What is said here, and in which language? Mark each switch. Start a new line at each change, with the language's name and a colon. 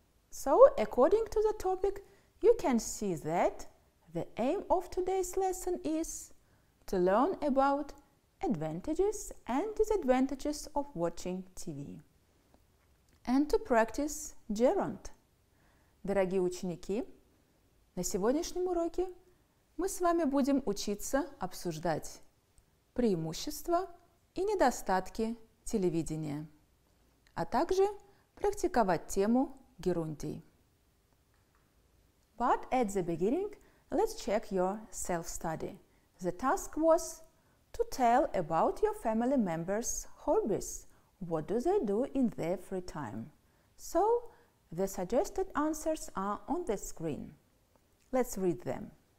English: So, according to the topic, you can see that the aim of today's lesson is to learn about advantages and disadvantages of watching TV. And to practice gerund.
Russian: Дорогие ученики, на сегодняшнем уроке мы с вами будем учиться обсуждать преимущества и недостатки телевидения, а также практиковать тему герундий.
English: But at the beginning, let's check your self-study. The task was to tell about your family members' hobbies. What do they do in their free time? So, the suggested answers are on the screen. Let's read them.